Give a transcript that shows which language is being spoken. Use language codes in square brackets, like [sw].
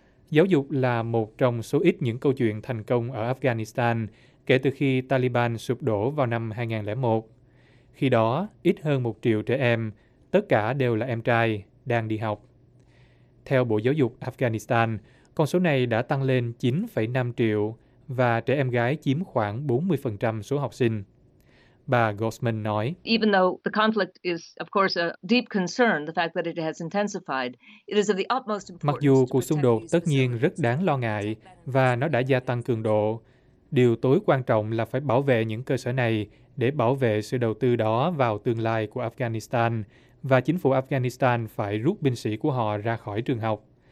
[vi] Giáo dục là một trong số ít những câu chuyện thành công ở Afghanistan kể từ khi Taliban sụp đổ vào năm 2001. Khi đó, ít hơn 1 triệu trẻ em, tất cả đều là em trai, đang đi học. Theo Bộ Giáo dục Afghanistan, con số này đã tăng lên 9,5 triệu và trẻ em gái chiếm khoảng 40% số học sinh. Bà Gosman nói, [en] even though the conflict is of course a deep concern, the fact that it has intensified, it is of the utmost importance. [vi] Mặc dù cuộc xung đột tất nhiên rất đáng lo ngại và nó đã gia tăng cường độ, điều tối quan trọng là phải bảo vệ những cơ sở này để bảo vệ sự đầu tư đó vào tương lai của Afghanistan, và chính phủ Afghanistan phải rút binh sĩ của họ ra khỏi trường học.